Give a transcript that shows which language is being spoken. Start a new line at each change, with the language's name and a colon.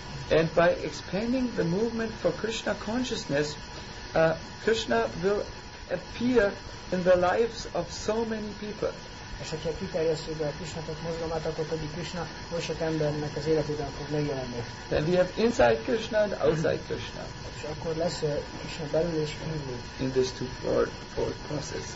English: And by expanding the movement for Krishna consciousness, Krishna will appear in the lives of so many people.
Hungarian: És hogyha kiterjesszük a Krishna tudat mozgalmát, akkor pedig Krishna oly sok embernek az életében fog megjelenni.
English: Then we have inside Krishna and outside Krishna.
Hungarian: És akkor lesz Krishna belül és kívül.
English: In this two-fold process.